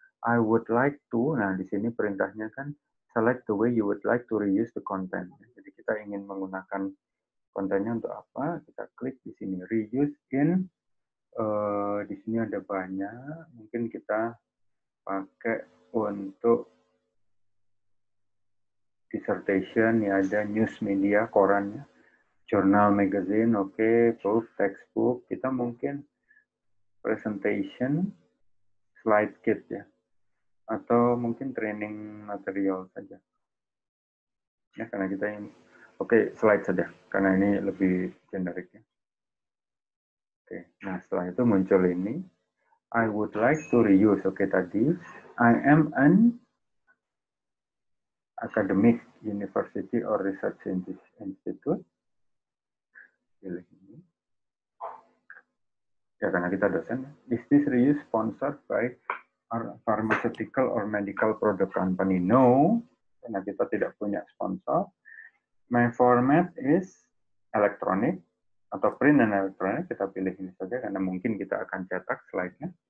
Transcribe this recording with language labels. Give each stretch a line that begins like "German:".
English: I would like to,
Indonesian: nah di sini perintahnya kan
English: select the way you would like to reuse the content.
Indonesian: Jadi kita ingin menggunakan kontennya untuk apa? Kita klik di sini reuse in. Di sini ada banyak. Mungkin kita pakai untuk dissertation, ya ada news media, korannya, jurnal, magazine, oke, proof, textbook, kita mungkin presentation, slide kit ya, atau mungkin training material saja. Ya, karena kita yang oke, slide saja, karena ini lebih generik ya. Oke, nah setelah itu muncul ini,
English: I would like to reuse,
Indonesian: oke tadi,
English: I am an academic university or research institute.
Indonesian: Pilih ini. Ya, karena kita dosen.
English: Is this reuse sponsored by pharmaceutical or medical product company? No,
Indonesian: karena kita tidak punya sponsor.
English: My format is electronic
Indonesian: atau
English: print and electronic.
Indonesian: Kita pilih ini saja karena mungkin kita akan cetak slide-nya.